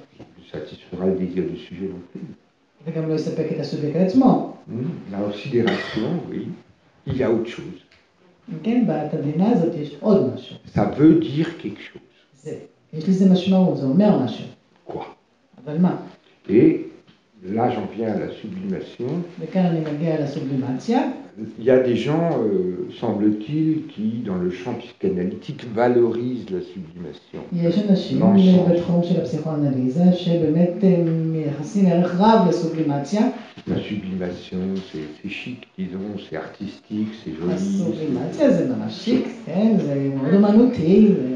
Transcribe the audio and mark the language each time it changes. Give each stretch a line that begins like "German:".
French: Ne satisfera le désir du sujet non plus.
Hebrew: וגם לא יספק את הסובייקט עצמו.
French: La sidération, oui, il y a autre chose.
Hebrew: כן, בתדהמה הזאת יש עוד משהו.
French: Ça veut dire quelque chose.
Hebrew: יש לזה משמעות, זה אומר משהו.
French: Quoi?
Hebrew: אבל מה?
French: Et là j'en viens à la sublimation.
Hebrew: וכאן אני מגיע לסובלימציה.
French: Il y a des gens, semble-t-il, qui dans le champ psychanalytique valorisent la sublimation.
Hebrew: יש אנשים בתחום של הפסיכואנליזה שבאמת מייחסים ערך רב לסובלימציה.
French: La sublimation, c'est chic, disons, c'est artistique, c'est joli. La sublimation, c'est
Hebrew: ממש
French: chic,
Hebrew: כן, זה מאוד אומנותי.